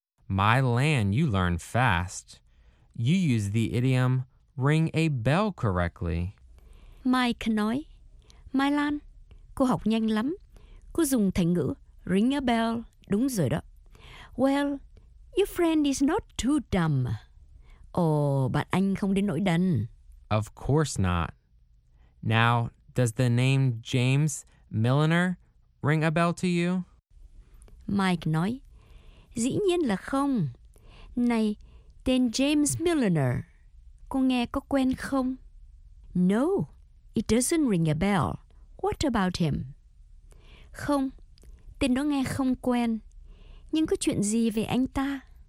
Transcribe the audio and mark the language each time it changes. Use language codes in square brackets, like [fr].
[en] My land, you learn fast. You use the idiom ring a bell correctly. [vi] Mike nói, Mai Lan, cô học nhanh lắm. Cô dùng thành ngữ ring a bell đúng rồi đó. [en] Well, your friend is not too dumb. [vi] Oh, bạn anh không đến nỗi đần. [en] Of course not. Now, does the name James Milliner ring a bell to you? [vi] Mike nói, dĩ nhiên là không. Này, tên James Milliner, cô nghe có quen không? [en] No, it doesn't ring a bell. What about him? [vi] Không, tên đó nghe không quen. Nhưng có chuyện gì về anh ta?